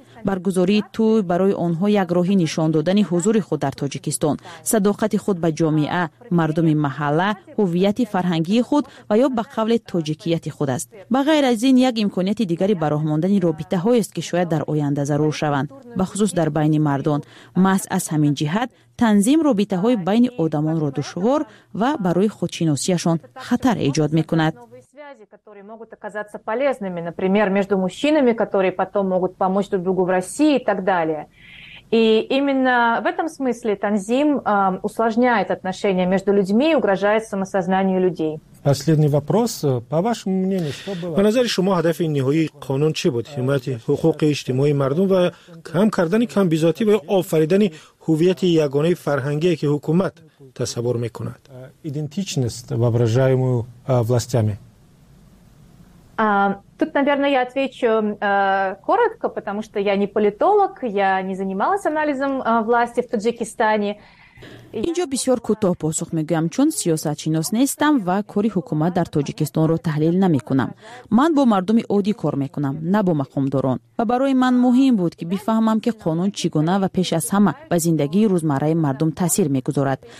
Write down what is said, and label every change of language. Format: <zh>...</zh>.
<tg>Баргузории туй барои онҳо як роҳи нишон додани ҳузури худ дар Тоҷикистон, садоқати худ ба ҷомеа, мардуми маҳалла, ҳувияти фарҳангии худ ва ё ба қавле тоҷикияти худ аст. Ба ғайр аз ин, як имконияти дигари ба роҳ мондани робитаҳоест, ки шояд дар оянда зарур шаванд, ба хусус дар байни мардон. Маҳз аз ҳамин ҷиҳат танзим робитаҳои байни одамонро душвор ва барои худшиносиашон хатар эҷод мекунад.</tg> <ru>Которые могут оказаться полезными, например, между мужчинами, которые потом могут помочь друг другу в России и так далее. И именно в этом смысле танзим усложняет отношения между людьми и угрожает самосознанию людей. Последний вопрос. По вашему мнению, что было?</ru> <tg>По назаре шума, гадав и нехуи канун,</tg> <ru>че будет?</ru> <tg>Химаяти хукуки иштимои мардум, ва кам кардани, кам бизоти, ва офаридани хувияти ягонаи фарханги, ки хукумат тасабур мекунат.</tg> <ru>Идентичность, воображаемую властями. Тут, наверное, я отвечу коротко, потому что я не политолог, я не занималась анализом власти в Таджикистане.</ru> <tg>Инҷо бисёр кӯтоҳ посух мегӯям, чун сиёсатшинос нестам ва кори ҳукумат дар Тоҷикистонро таҳлил намекунам. Ман бо мардуми оддӣ кор мекунам, на бо мақомдорон. Ва барои ман муҳим буд ки бифаҳмам, ки қонун чӣ гуна ва пеш аз ҳама ба зиндагии рӯзмарраи мардум таъсир мегузорад.</tg>